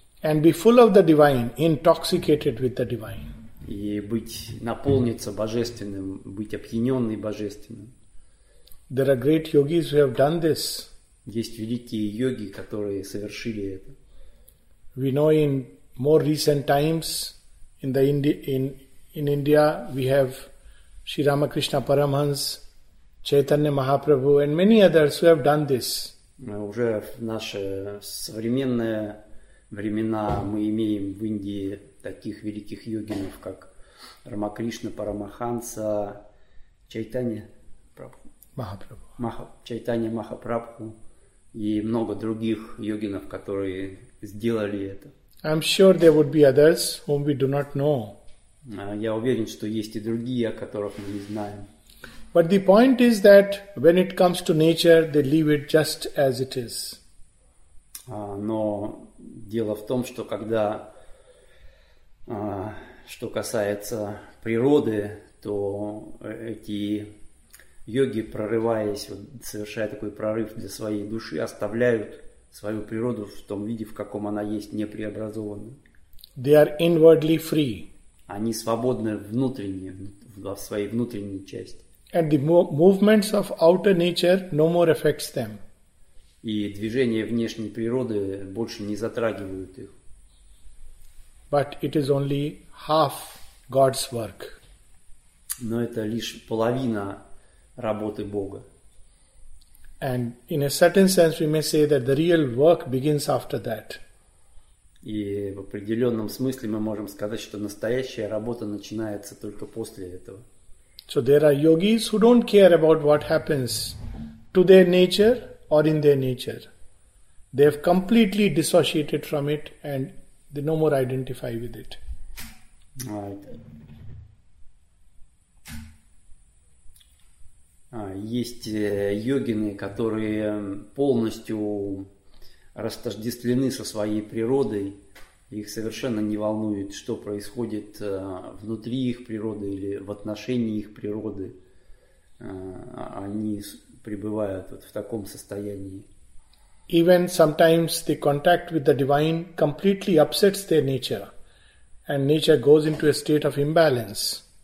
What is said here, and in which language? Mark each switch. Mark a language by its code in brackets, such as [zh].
[en] And be full of the divine, intoxicated with the divine. [ru] И быть, наполниться божественным, быть опьяненный божественным. [en] There are great yogis who have done this. [ru] Есть великие йоги, которые совершили это. [en] We know in more recent times in India we have Sri Ramakrishna Paramhans, Chaitanya Mahaprabhu and many others who have done this. [ru] Уже в наши современные времена мы имеем в Индии таких великих йогинов, как Рамакришна Парамаханса, Чайтанья Прабху. Чайтанья Махапрабху и много других йогинов, которые сделали это. [en] I'm sure there would be others whom we do not know. [ru] Я уверен, что есть и другие, о которых мы не знаем. [en] But the point is that when it comes to nature, they leave it just as it is. [ru] Но дело в том, что когда что касается природы, то эти йоги, прорываясь, совершая такой прорыв для своей души, оставляют свою природу в том виде, в каком она есть, непреобразованной. [en] They are inwardly free. [ru] Они свободны внутренне, в своей внутренней части. [en] And the movements of outer nature no more affects them. [ru] И движения внешней природы больше не затрагивают их. [en] But it is only half God's work. [ru] Но это лишь половина работы Бога. [en] And in a certain sense we may say that the real work begins after that. [ru] И в определенном смысле мы можем сказать, что настоящая работа начинается только после этого. [en] So there are yogis who don't care about what happens to their nature or in their nature. They have completely dissociated from it and they no more identify with it. Right. [ru] Есть йогины, которые полностью растождествлены со своей природой. Их совершенно не волнует, что происходит внутри их природы или в отношении их природы. Они пребывают вот в таком состоянии. [en] Even sometimes the contact with the divine completely upsets their nature, and nature goes into a state of imbalance.